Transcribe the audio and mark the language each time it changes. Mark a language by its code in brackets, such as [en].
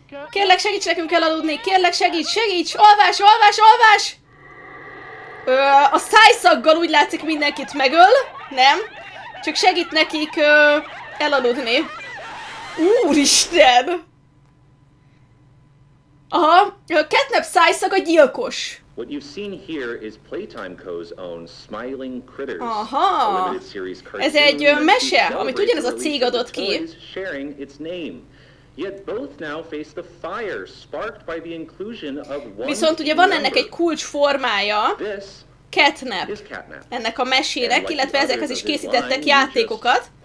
[hu] Kérlek, segíts nekünk elaludni. Kérlek, segíts, segíts. Alvás, alvás, alvás. A szájszaggal úgy látszik mindenkit megöl. Nem. Csak segít nekik elaludni. Úristen. Aha, Catnap szájszak a gyilkos. [en] What you've seen here is Playtime Co.'s own Smiling Critters. [hu] Aha, ez egy mese, amit ugyanez a cég adott ki. [en] Sharing its name. Yet both now face the fire sparked by the inclusion of one. [hu] Viszont ugye van ennek egy kulcsformája. Catnap. Ennek a mesének, illetve ezekhez is készítettek játékokat.